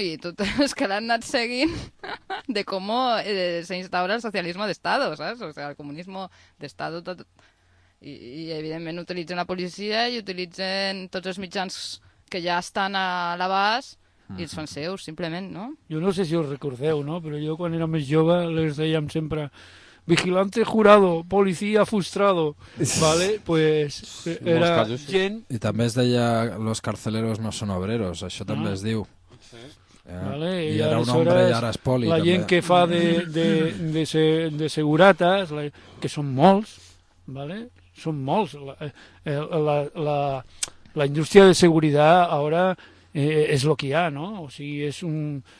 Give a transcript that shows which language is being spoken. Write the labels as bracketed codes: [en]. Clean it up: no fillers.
[ca] I tots els que l'han anat seguint de com s'instaura el socialisme d'estat, saps? O sigui, el comunisme d'estat, tot... I evidentment utilitzen la policia i utilitzen tots els mitjans que ja estan a l'abast i els fan seus, simplement, no? Jo no sé si us recordeu, no? Però jo quan era més jove les dèiem sempre... [es] Vigilante jurado, policía frustrado, ¿vale? [ca] Pues era casos, sí. Gent... I també es deia [es] los carceleros no son obreros, [ca] això també es diu. Sí. Yeah. Vale, I era un hombre i ara és poli. La també. Gent que fa de segurates, que són molts, ¿vale? Són molts. La indústria de seguretat ara és el que hi ha, no? O sigui, és un...